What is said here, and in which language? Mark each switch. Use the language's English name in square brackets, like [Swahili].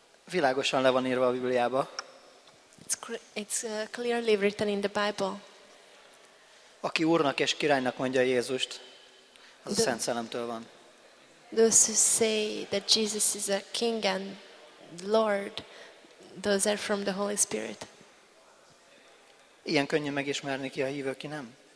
[Hungarian] Világosan le van írva a Bibliába. [English] It's clearly written in the Bible. [Hungarian] Aki úrnak és királynak mondja Jézust, az a Szent Szellemtől van. [English] Those who say that Jesus is a king and Lord, those are from the Holy Spirit. [Hungarian] Ilyen könnyen megismerni ki a hívő, ki nem.